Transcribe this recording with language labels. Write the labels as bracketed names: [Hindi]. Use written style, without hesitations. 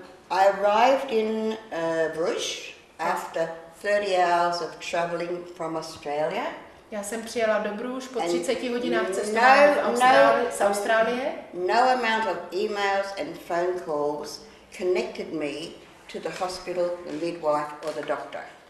[English] I arrived in Bruges after 30 hours of traveling from Australia. [Czech] Já jsem přijela do Bruges po 30 hodinách cestování z Austrálie. [English] No amount of emails and phone calls connected me to the hospital, the midwife or the doctor.